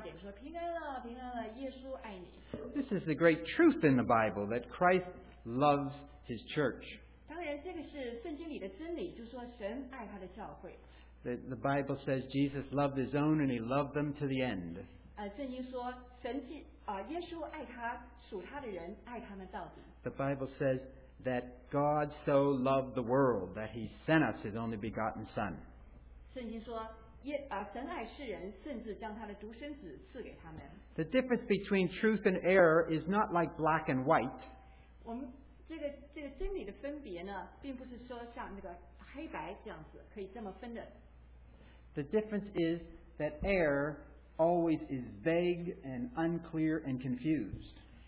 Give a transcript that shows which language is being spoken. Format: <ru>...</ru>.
<zh>他们就其实可以就像英语说的时代，再加一点说，平安了，平安了，耶稣爱你。</zh> <en>This is the great truth in the Bible, that Christ loves His church.</en> <zh>当然这个是圣经里的真理，就是说神爱他的教会。</zh> <en>The Bible says Jesus loved His own and He loved them to the end.</en> <zh>圣经说神记耶稣爱他属他的人，爱他们到底。</zh> <en>The Bible says that God so loved the world that He sent us His only begotten Son.</en> <zh>圣经说神爱世人，甚至将他的独生子赐给他们。</zh> <en>The difference between truth and error is not like black and white.</en> <zh>我们这个真理的分别呢，并不是说像那个黑白这样子可以这么分的。</zh> <en>The difference is that error always is vague and unclear and confused.</en>